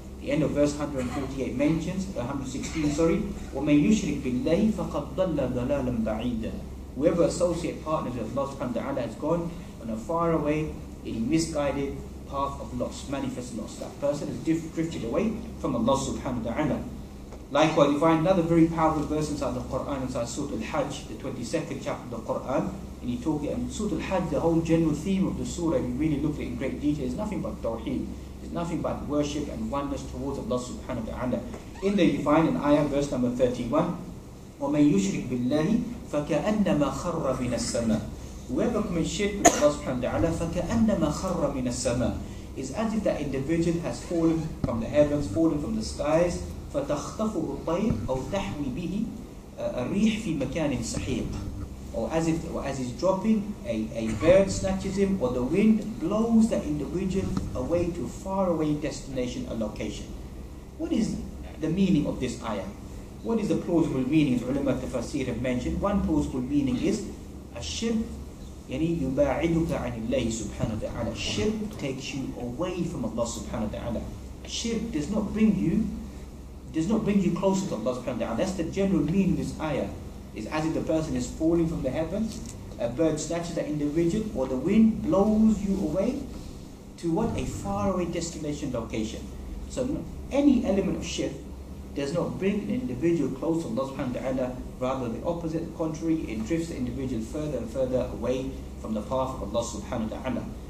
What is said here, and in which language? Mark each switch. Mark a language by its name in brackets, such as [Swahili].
[English] The end of verse 148 mentions, 116, sorry, [Arabic] وَمَنْ يُشْرِكْ بِاللَّيْهِ فَقَدْ ضَلَّ ضَلَالًا بَعِيدًا. [English] Whoever associate partners with Allah subhanahu wa ta'ala has gone on a far away, a misguided path of loss, manifest loss. That person has drifted away from Allah subhanahu wa ta'ala. Likewise, you find another very powerful verse inside the Quran, inside Surah Al-Hajj, the 22nd chapter of the Quran. And you talk about Surah Al-Hajj, the whole general theme of the surah, if you really look at it in great detail, is nothing but tawheed. It's nothing but worship and oneness towards Allah subhanahu wa ta'ala. In there, you find an ayah, verse number 31. [Arabic] وَمَنْ يُشْرِكْ بِاللَّهِ فَكَأَنَّمَا خَرَّ مِنَ السَّمَاءِ. [English] Whoever commits shirk with Allah subhanahu wa ta'ala, [Arabic] فَكَأَنَّمَا خَرَّ مِنَ السَّمَاءِ, [English] is as if that individual has fallen from the heavens, fallen from the skies. [Arabic] فَتَخْطَفُهُ الطَّيْرُ أَوْ تَحْمِي بِهِ الرِّيحِ فِي مَكَانٍ سَحِيقٍ. [English] Or as he's dropping, a bird snatches him, or the wind blows that individual away to a faraway destination, a location. What is the meaning of this ayah? What is the plausible meaning, as ulama tafsir have mentioned? One plausible meaning is, [Arabic] الشرك يعني يباعدك عن الله سبحانه وتعالى. [English] Shirk takes you away from Allah subhanahu wa ta'ala. Shirk does not bring you closer to Allah subhanahu wa ta'ala. That's the general meaning of this ayah. It's as if the person is falling from the heavens, a bird snatches that individual, or the wind blows you away to what? A faraway destination location. So any element of shirk does not bring an individual closer to Allah subhanahu wa ta'ala, rather the opposite, the contrary, it drifts the individual further and further away from the path of Allah subhanahu wa ta'ala.